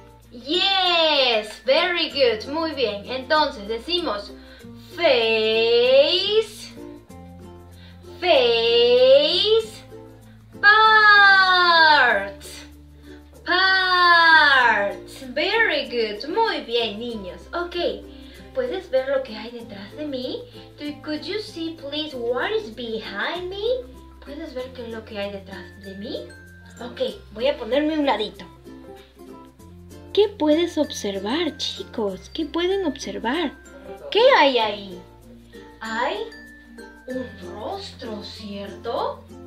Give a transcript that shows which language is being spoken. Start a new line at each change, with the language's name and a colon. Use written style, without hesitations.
English: Yes. Very good.
Spanish: Muy bien. Entonces, decimos
English: face, face parts, parts. Very good.
Spanish: Muy bien, niños. Ok. ¿Puedes ver lo que hay detrás de mí?
English: Could you see, please, what is behind me?
Spanish: ¿Puedes ver qué es lo que hay detrás de mí? Ok. Voy a ponerme un ladito. ¿Qué puedes observar, chicos? ¿Qué pueden observar? ¿Qué hay ahí? Hay un rostro, ¿cierto?